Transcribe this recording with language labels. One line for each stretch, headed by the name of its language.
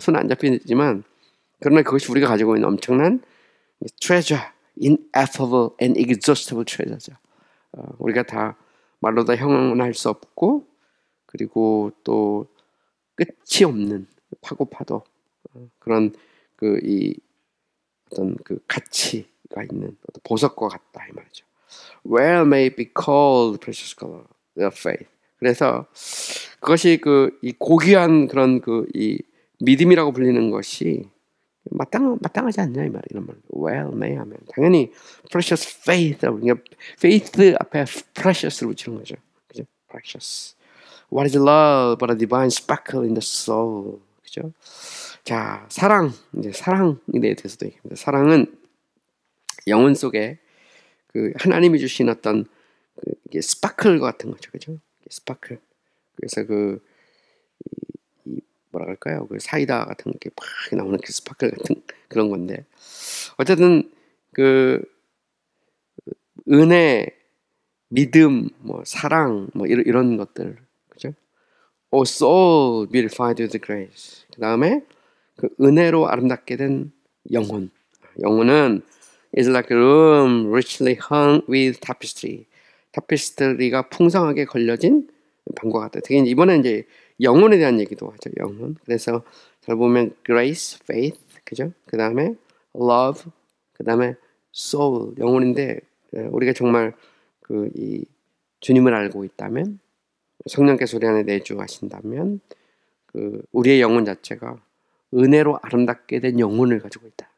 Korean: 손에 안 잡히지만 그러나 그것이 우리가 가지고 있는 엄청난
English: treasure, ineffable and inexhaustible treasure
Korean: 죠. 우리가 다 말로 다 형언할 수 없고 그리고 또 끝이 없는 파고파도 그런 그 이 어떤 그 가치가 있는 어떤 보석과 같다 이 말이죠.
English: Well may it be called precious color, the faith.
Korean: 그래서 그것이 그 이 고귀한 그런 그 이 믿음이라고 불리는 것이 마땅하지 않냐 이 말, 이런 말.
English: Well may
Korean: 하면 당연히
English: precious faith,
Korean: 그러니까 faith 앞에 precious를 붙이는 거죠. 그죠? Precious.
English: What is love but a divine sparkle in the soul?
Korean: 그죠? 자, 사랑, 이제 사랑에 대해서도 얘기합니다. 사랑은 영혼 속에 그 하나님이 주신 어떤 그 이게 스파클과 같은 거죠. 그죠? 스파클. 그래서 그 뭐라 할까요? 그 사이다 같은 게 막 나오는 그 스파클 같은 그런 건데 어쨌든 그 은혜, 믿음, 뭐 사랑 뭐 이런 것들. 그죠?
English: Oh soul beautified with grace.
Korean: 그다음에 그 은혜로 아름답게 된 영혼. 영혼은
English: is like a room richly hung with tapestry.
Korean: 타피스트리가 풍성하게 걸려진 방과 같아요. 특히 이번에는 이제 영혼에 대한 얘기도 하죠. 영혼. 그래서 잘 보면 grace, faith, 그죠? 그 다음에 love, 그 다음에 soul, 영혼인데 우리가 정말 그 이 주님을 알고 있다면 성령께서 우리 안에 내주하신다면 그 우리의 영혼 자체가 은혜로 아름답게 된 영혼을 가지고 있다.